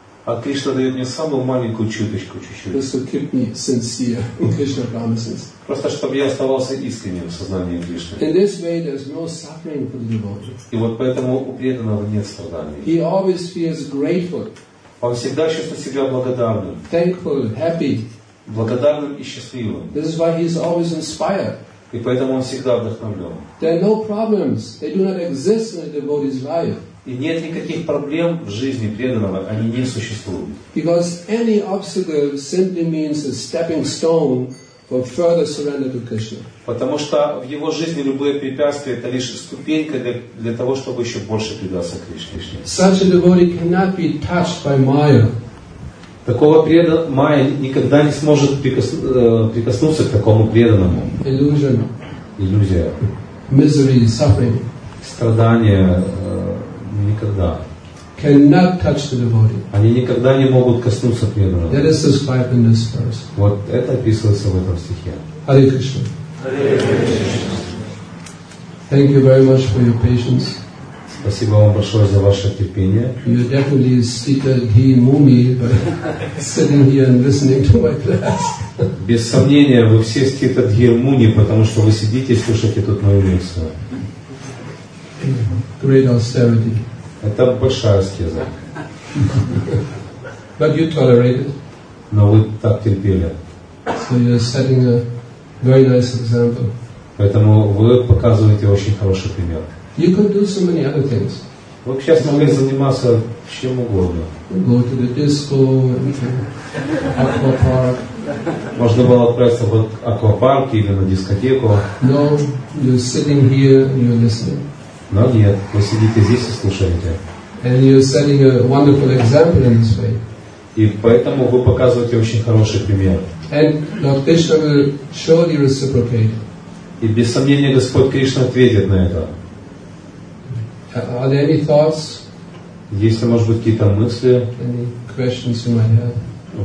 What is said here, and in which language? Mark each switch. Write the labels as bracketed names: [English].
[Russian] А Кришна дает мне самую маленькую чуточку, чуть-чуть. [English] Just to keep me sincere, Krishna promises. [Russian] Просто чтобы я оставался искренним в сознании Кришны. [English] In this way, there's no suffering for the devotee. [Russian] И вот поэтому у преданного нет страданий. [English] He always feels grateful. [Russian] Он всегда чувствует себя благодарным. [English] Thankful, happy. [Russian] Благодарным и счастливым. [English] This is why he's always inspired. [Russian] И поэтому он всегда вдохновлен. [English] There are no problems. They do not exist in a devotee's life. [Russian] И нет никаких проблем в жизни преданного, они не существуют. [English] Because any obstacle simply means a stepping stone for further surrender to Krishna. [Russian] Потому что в его жизни любые препятствия это лишь ступенька для того, чтобы еще больше предаться Кришне. [English] Such a devotee cannot be touched by Maya. [Russian] Такого преданного Майя никогда не сможет прикоснуться к такому преданному. [English] Illusion. [Russian] Иллюзия. [English] Misery, suffering. [Russian] Страдания. Никогда. [English] Cannot touch the devotee. [Russian] Они никогда не могут коснуться преданного. [English] That is described in this verse. [Russian] Вот это описывается в этом стихе. [English] Hare Krishna. Hare Krishna. Thank you very much for your patience. [Russian] Спасибо вам большое за ваше терпение. [English] You are definitely seated here, mummy, sitting here and listening to my class. [Russian] Без сомнения, вы все [English] seated here, mummy, [Russian] потому что вы сидите и слушаете тут мою лекцию. [English] Great austerity. [Russian] Это большая аскеза. [English] But you tolerated. [Russian] Но вы так терпели. [English] So you're setting a very nice example. [Russian] Поэтому вы показываете очень хороший пример. [English] You could do so many other things. [Russian] Вы сейчас могли заниматься чем угодно. [English] Go to the disco, аквапарк. [Russian] Можно было отправиться в аквапарк или на дискотеку. [English] No, you're sitting here and you're listening. [Russian] Но нет, вы сидите здесь и слушаете. [English] And you're setting a wonderful example in this way. [Russian] И поэтому вы показываете очень хороший пример. [English] And Lord Krishna will surely reciprocate. [Russian] И без сомнения Господь Кришна ответит на это. [English] Are there any thoughts? [Russian] Есть ли, может быть, какие-то мысли? [English] Any questions you might have?